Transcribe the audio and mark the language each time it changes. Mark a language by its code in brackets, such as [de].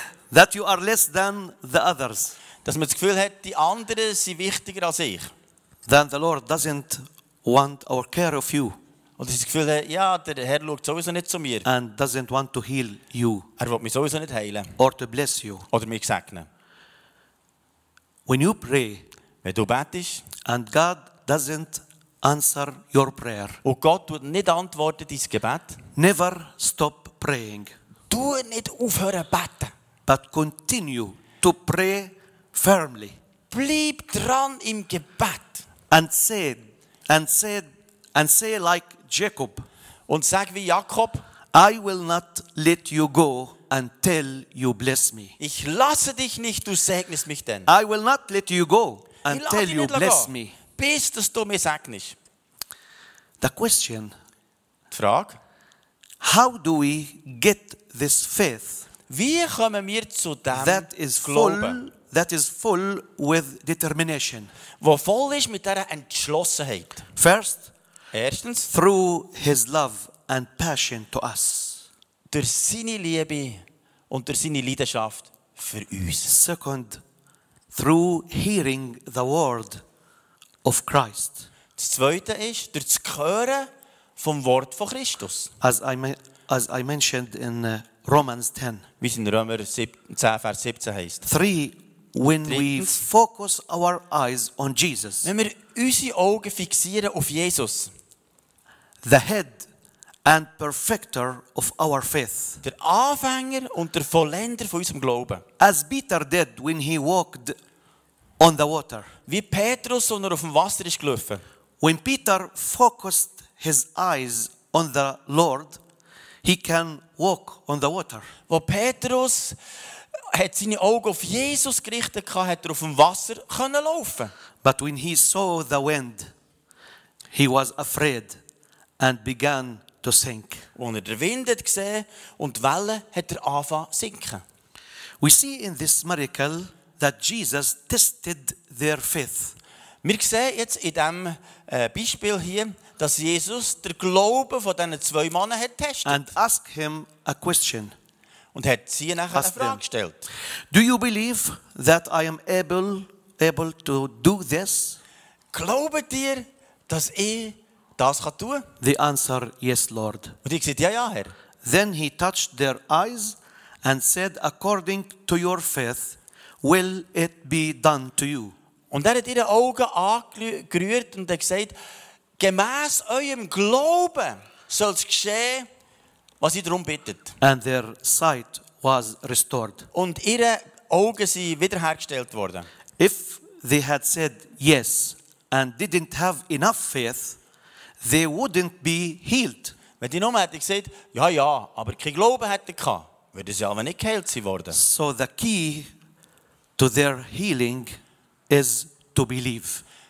[en] That you are less than the others. [de] Dass man das Gefühl hat, die anderen sind wichtiger als ich. [en] Then the Lord doesn't want our care of you. [de] Und das Gefühl hat, ja, der Herr schaut sowieso nicht zu mir. [en] And doesn't want to heal you. [de] Er will mich sowieso nicht heilen. [en] Or to bless you. [de] Oder mich segnen. [en] When you pray, [de] wenn du betest, [en] and God doesn't answer your prayer, [de] und Gott wird nicht antwortet dein Gebet, [en] never stop praying. [de] Du nicht aufhören beten, [en] but continue to pray firmly. [de] Bleib dran im Gebet. [en] And say like Jacob. [de] Und sag wie Jakob. [en] I will not let you go until you bless me. [de] Ich lasse dich nicht, du segnest mich denn. [en] I will not let you go until you bless me. [de] Bis dass du mir segnest. [en] The question. [de] Die Frage. [en] How do we get this faith? [de] Wie kommen wir zu dem [en] that is full, Glauben? That is full with determination. [de] Wo voll ist mit dieser Entschlossenheit. [en] First. [de] Erstens. [en] Through his love and passion to us. [de] Durch seine Liebe und durch seine Leidenschaft für uns. [en] Second. Through hearing the word of Christ. [de] Das Zweite ist, durch das Hören vom Wort von Christus. [en] As I mentioned in Romans 10. [de] Wie es in Römer 10, Vers 17 heisst. [en] Three. When we focus our eyes on Jesus. [de] Wenn wir unsere Augen fixieren auf Jesus. [en] The head and perfecter of our faith. [de] Der Anfänger und der Vollender von unserem Glauben. [en] As Peter did when he walked on the water. [de] Wie Petrus, als er auf dem Wasser ist gelaufen. [en] When Peter focused his eyes on the Lord, he can walk on the water. [de] Wo Petrus hat seine Augen auf Jesus gerichtet, hat er auf dem Wasser können laufen. [en] But when he saw the wind, he was afraid and began to sink. [de] Als er den Wind hat gesehen und die Wellen, hat er angefangen zu sinken. [en] We see in this miracle that Jesus tested their faith. [de] Wir sehen jetzt in diesem Beispiel hier, dass Jesus den Glauben von diesen zwei Männern hat getestet. [en] And asked him a question. [de] Und hat sie nachher eine Frage gestellt. [en] Do you believe that I am able to do this? [de] Glaubet ihr, dass ich das kann tun? [en] The answer, yes, Lord. [de] Und ich sagte, ja, ja, Herr. [en] Then he touched their eyes and said, according to your faith, will it be done to you? [de] Und er hat ihre Augen angerührt und hat gesagt, gemäß eurem Glauben soll es geschehen, was sie darum bittet. [en] And their sight was restored. [de] Und ihre Augen sind wiederhergestellt worden. [en] If they had said yes and didn't have enough faith, they wouldn't be healed. [de] Wenn die nur hätten gesagt, ja, ja, aber kein Glauben hätten gehabt, würden sie aber nicht geheilt sein worden. [en] So the key to their healing is to believe.